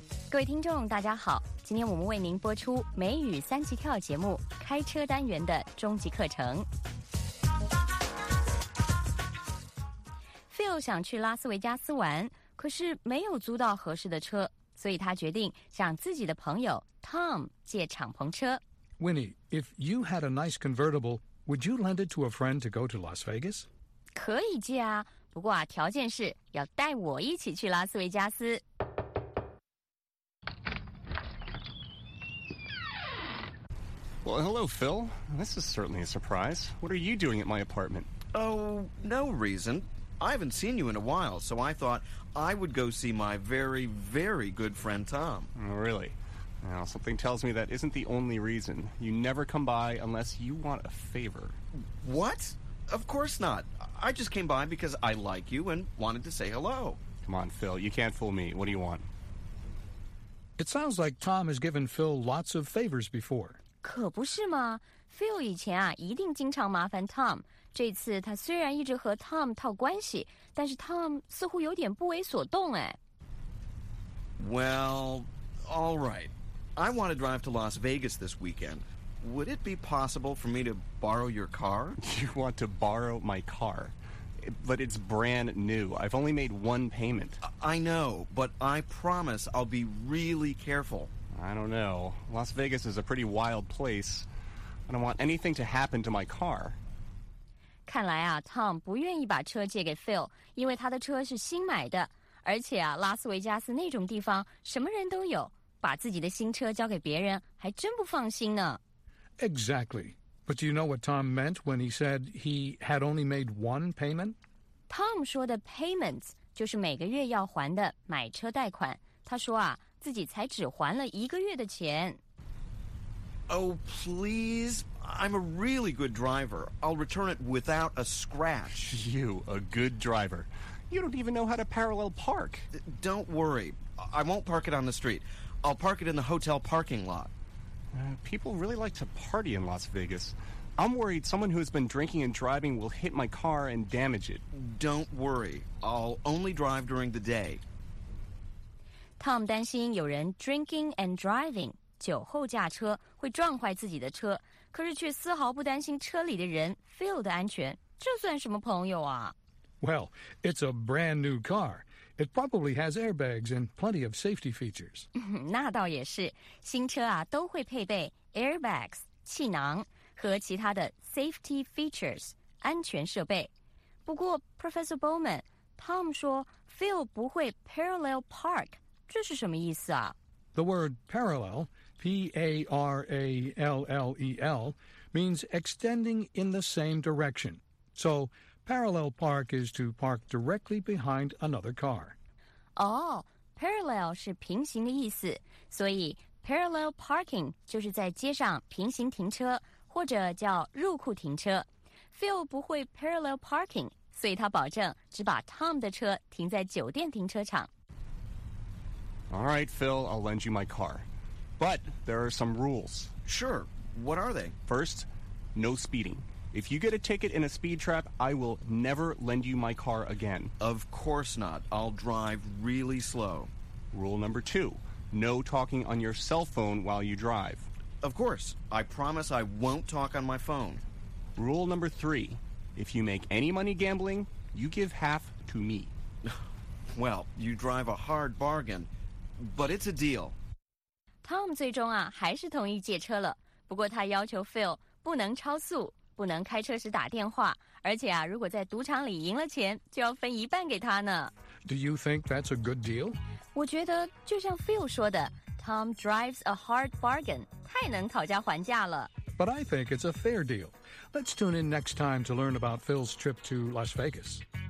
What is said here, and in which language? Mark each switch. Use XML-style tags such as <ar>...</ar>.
<zh>各位听众大家好，今天我们为您播出美语三级跳节目开车单元的终极课程。 Phil 想去拉斯维加斯玩，可是没有租到合适的车，所以他决定向自己的朋友 Tom 借敞篷车。</zh> <en>Winnie, if you had a nice convertible, would you lend it to a friend to go to Las Vegas?</en> <zh>可以借啊，不过啊，条件是要带我一起去拉斯维加斯。</zh> <en>Well, hello, Phil. This is certainly a surprise. What are you doing at my apartment? Oh, no reason. I haven't seen you in a while, so I thought I would go see my very, very good friend, Tom. Oh, really? Now, something tells me that isn't the only reason. You never come by unless you want a favor. What? Of course not. I just came by because I like you and wanted to say hello. Come on, Phil. You can't fool me. What do you want? It sounds like Tom has given Phil lots of favors before.</en> <zh>可不是吗？ Phil 以前啊一定经常麻烦 Tom， 这次他虽然一直和 Tom 套关系，但是 Tom 似乎有点不为所动哎。</zh> <en>Well, all right. I want to drive to Las Vegas this weekend. Would it be possible for me to borrow your car? You want to borrow my car? But it's brand new. I've only made one payment. I know, but I promise I'll be really careful. I don't know. Las Vegas is a pretty wild place. I don't want anything to happen to my car.</en> <zh>看来啊 ，Tom 不愿意把车借给 Phil， 因为他的车是新买的。而且啊，拉斯维加斯那种地方什么人都有，把自己的新车交给别人还真不放心呢。</zh> <en>Exactly. But do you know what Tom meant when he said he had only made one payment?</en> <zh>Tom 说的 payments 就是每个月要还的买车贷款。他说啊。自己才只还了一个月的钱。</zh> <en>Oh, please. I'm a really good driver. I'll return it without a scratch. You, a good driver. You don't even know how to parallel park. Don't worry. I won't park it on the street. I'll park it in the hotel parking lot. People really like to party in Las Vegas. I'm worried someone who has been drinking and driving will hit my car and damage it. Don't worry. I'll only drive during the day.</en> <zh>Tom 担心有人</zh> <en>drinking and driving</en> <zh>酒后驾车会撞坏自己的车，可是却丝毫不担心车里的人 Phil 的安全，这算什么朋友啊？</zh> <en>Well, it's a brand new car. It probably has airbags and plenty of safety features.</en> <zh>那倒也是，新车啊都会配备 airbags 气囊和其他的 safety features 安全设备。不过 Professor Bowman， Tom 说 Phil 不会 parallel park。这是什么意思啊？</zh> <en>The word parallel, P-A-R-A-L-L-E-L, means extending in the same direction. So, parallel park is to park directly behind another car.</en> <zh>Oh, parallel 是平行的意思，所以 parallel parking 就是在街上平行停车，或者叫入库停车。 Phil 不会 parallel parking, 所以他保证只把 Tom 的车停在酒店停车场。</zh> <en>All right, Phil, I'll lend you my car. But there are some rules. Sure. What are they? First, no speeding. If you get a ticket in a speed trap, I will never lend you my car again. Of course not. I'll drive really slow. Rule number two, no talking on your cell phone while you drive. Of course. I promise I won't talk on my phone. Rule number three, if you make any money gambling, you give half to me. Well, you drive a hard bargain. But it's a deal.</en> <zh>Tom 最终啊还是同意借车了，不过他要求 Phil 不能超速，不能开车时打电话，而且啊，如果在赌场里赢了钱，就要分一半给他呢。</zh> <en>Do you think that's a good deal?</en> <zh>我觉得就像 Phil 说的 ，Tom</zh> <en>drives a hard bargain，</en> <zh>太能讨价还价了。</zh> <en>But I think it's a fair deal. Let's tune in next time to learn about Phil's trip to Las Vegas.</en>